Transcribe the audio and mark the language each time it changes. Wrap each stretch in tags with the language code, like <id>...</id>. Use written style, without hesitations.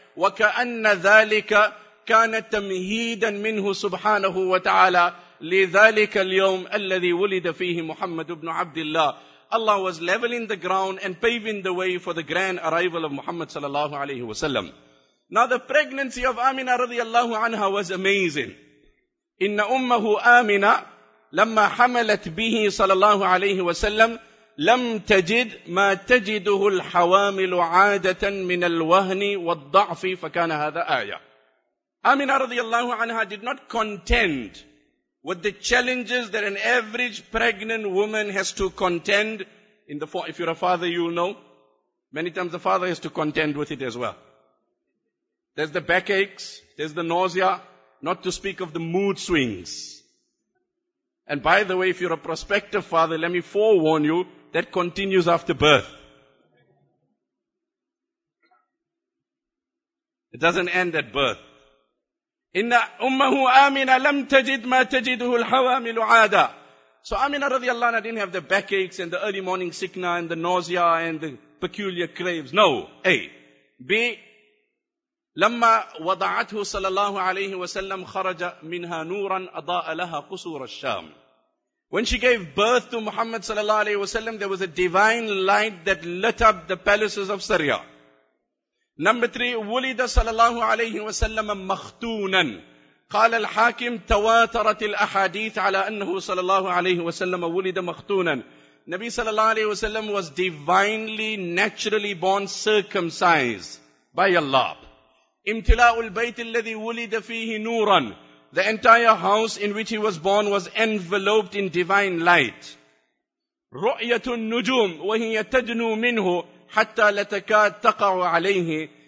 <ar>وَكَأَنَّ ذَلِكَ كَانَ تَمْهِيدًا مِنْهُ سُبْحَانَهُ وَتَعَالَى لِذَلِكَ الْيَوْمِ الَّذِي وُلِدَ فِيهِ مُحَمَّدُ بْنُ عَبْدِ اللَّهِ.</ar> <en>Allah was leveling the ground and paving the way for the grand arrival of Muhammad sallallahu alayhi wa sallam. Now the pregnancy of Amina radiallahu anha was amazing.</en> <ar>إِنَّ أُمَّهُ آمِنَ لَمَّا حَمَلَتْ بِهِ sallallahu alayhi wa sallam لَمْ تَجِدْ مَا تَجِدُهُ الْحَوَامِلُ عَادَةً مِنَ الْوَهْنِ وَالضَّعْفِ فَكَانَ هَذَا آيَةً.</ar> <en>Amina radiallahu anha did not contend with the challenges that an average pregnant woman has to contend in the form. If you're a father, you'll know. Many times the father has to contend with it as well. There's the backaches, there's the nausea, not to speak of the mood swings. And by the way, if you're a prospective father, let me forewarn you, that continues after birth. It doesn't end at birth.</en> <ar>إِنَّ أُمَّهُ آمِنَ لَمْ تَجِدْ مَا تَجِدُهُ الْحَوَامِلُ عَادَى.</ar> <en>So Amina radiallahu anha didn't have the backaches and the early morning sickness and the nausea and the peculiar craves.</en> <ar>No. A. B. لَمَّا وَضَعَتْهُ صَلَى اللَّهُ عَلَيْهِ وَسَلَّمْ خَرَجَ مِنْهَا نُورًا أَضَاءَ لَهَا قُسُورَ الشَّامِ.</ar> <en>When she gave birth to Muhammad صلى الله عليه وسلم, there was a divine light that lit up the palaces of Syria. Number three,</en> <ar>وُلِدَ صلى الله عليه وسلم مَخْتُونًا. قال الحاكم تواترت الأحاديث على أنه صلى الله عليه وسلم وُلِدَ مَخْتُونًا.</ar> <en>Nabi صلى الله عليه وسلم was divinely, naturally born circumcised by Allah.</en> <ar>امْتِلَاءُ الْبَيْتِ الَّذِي وُلِدَ فِيهِ نُورًا.</ar> <en>The entire house in which he was born was enveloped in divine light.</en> <ar>رُؤْيَةُ النُّجُومِ وَهِيَ تَجْنُو مِنْهُ حَتَّى لَتَكَادْ تَقَعُ عَلَيْهِ.</ar>